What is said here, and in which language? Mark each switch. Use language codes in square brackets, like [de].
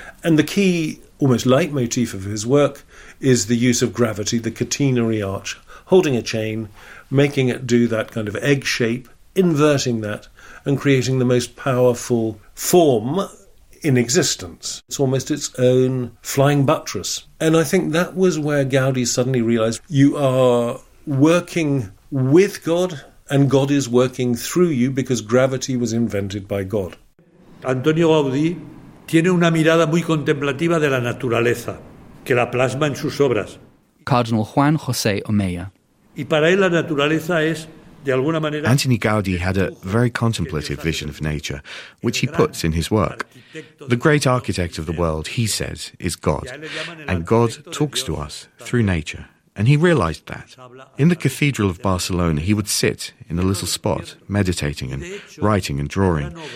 [en] And the key, almost leitmotif of his work, is the use of gravity, the catenary arch, holding a chain, making it do that kind of egg shape, inverting that, and creating the most powerful form in existence. It's almost its own flying buttress. And I think that was where Gaudi suddenly realized you are working with God and God is working through you because gravity was invented by God. [es] Antonio Gaudi tiene una mirada muy contemplativa de la naturaleza que la plasma en sus obras. [en] Cardinal Juan José Omeya. [es] Y para él la naturaleza es de alguna manera. [en] Antoni Gaudi had a very contemplative vision of nature, which he puts in his work. The great architect of the world, he says, is God. And God talks to us through nature. And he realized that. In the Cathedral of Barcelona, he would sit in a little spot, meditating and writing and drawing.